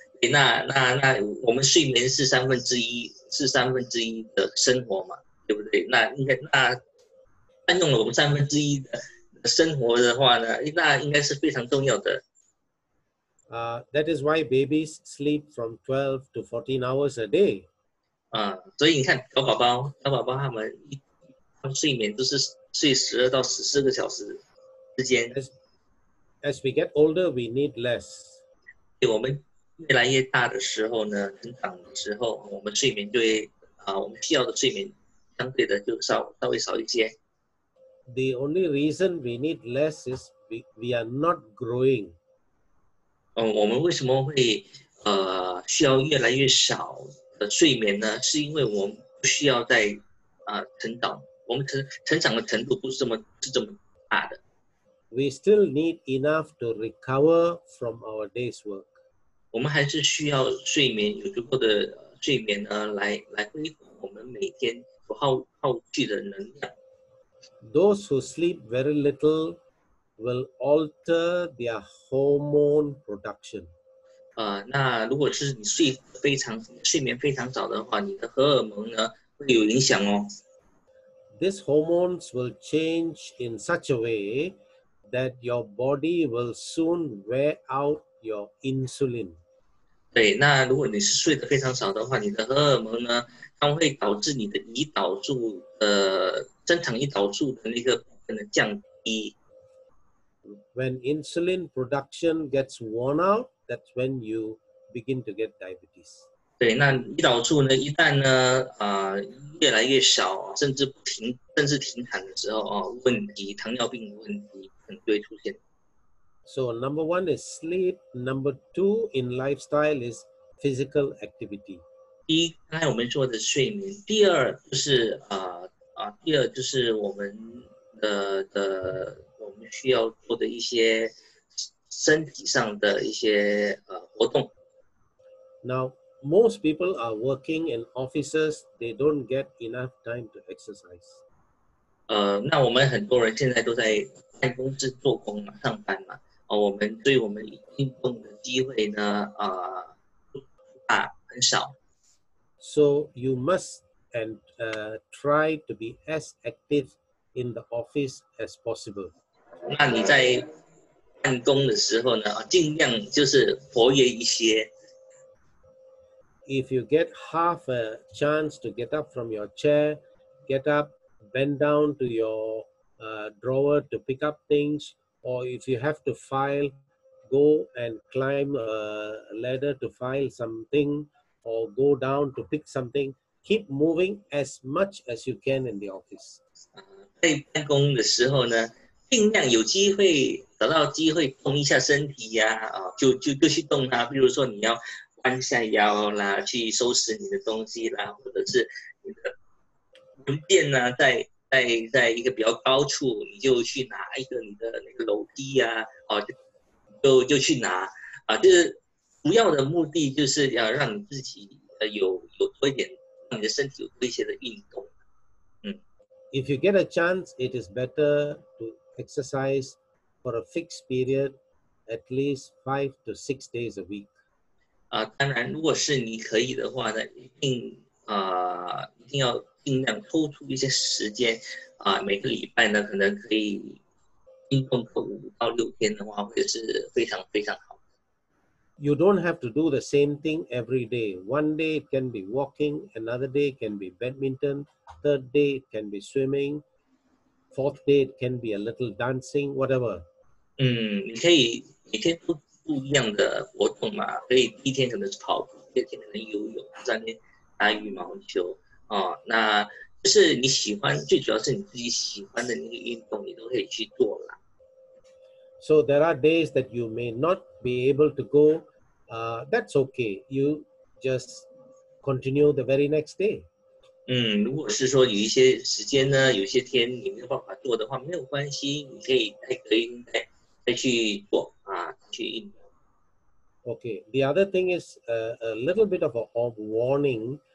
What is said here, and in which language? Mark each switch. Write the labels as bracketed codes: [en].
[zh] 那我们睡眠是三分之一，是三分之一的生活嘛，对不对？那应该那占用了我们三分之一的生活的话呢，那应该是非常重要的。 [en] That is why babies sleep from 12 to 14 hours a day. [zh] 所以你看小宝宝他们睡眠都是睡12到14个小时之间。 [en] As we get older, we need less. [zh] 对，我们越来越大的时候呢，成长的时候，我们睡眠就会我们需要的睡眠相对的就稍微少一些。 [en] The only reason we need less is we are not growing. [zh] 我们为什么会需要越来越少的睡眠呢？是因为我们不需要再成长，我们成长的程度不是这么大的。 [en] We still need enough to recover from our day's work. [zh] 我们还是需要睡眠，有足够的睡眠呢，来恢复我们每天所耗去的能量。 [en] Those who sleep very little. Will alter their hormone production. [zh] 那如果是你睡眠非常早的话，你的荷尔蒙呢会有影响哦。 [en] These hormones will change in such a way that your body will soon wear out your insulin. [zh] 对，那如果你是睡得非常少的话，你的荷尔蒙呢，它会导致你的胰岛素正常胰岛素的那个部分的降低。 [en] When insulin production gets worn out, that's when you begin to get diabetes. [zh] 对，那胰岛素呢？一旦呢，越来越少，甚至停产的时候啊，问题，糖尿病的问题可能就会出现。 [en] So number one is sleep. Number two in lifestyle is physical activity. [zh] 第第一，刚才我们说的睡眠；第二就是第二就是我们的我们需要做的一些身体上的一些活动。 [en] Now, most people are working in offices. They don't get enough time to exercise. [zh] 那我们很多人现在都在办公室做工嘛，上班嘛。我们对我们运动的机会呢，很少。 [en] So you must and try to be as active in the office as possible. [zh] 那你在办公的时候呢，尽量就是活跃一些。 [en] If you get half a chance to get up from your chair, get up, bend down to your drawer to pick up things, or if you have to file, go and climb a ladder to file something, or go down to pick something, keep moving as much as you can in the office. [zh] 在办公的时候呢，尽量有机会找到机会动一下身体呀，就去动它。比如说你要弯下腰啦，去收拾你的东西啦，或者是你的文件呢，在一个比较高处，你就去拿一个你的那个楼梯呀，就去拿就是主要的目的就是要让你自己有多一点，让你的身体有多一些的运动。 [en] If you get a chance, it is better to exercise for a fixed period, at least 5 to 6 days a week. [zh] 当然，如果是你可以的话呢，一定要尽量抽出一些时间每个礼拜呢，可能可以运动个5到6天的话，会是非常非常好的。 [en] You don't have to do the same thing every day. One day it can be walking, another day it can be badminton, third day it can be swimming, fourth day it can be a little dancing, whatever. [zh] 你可以每天都不一样的活动嘛，可以第一天可能是跑步，第二天可能游泳，第三天打羽毛球。那就是你喜欢，最主要是你自己喜欢的那个运动，你都可以去做啦。 [en] So there are days that you may not be able to go, that's okay. You just continue the very next day. [zh] 如果是说有一些时间呢，有些天你没有办法做的话，没有关系，你可以再去做去运动。 [en] Okay, the other thing is a little bit of a warning.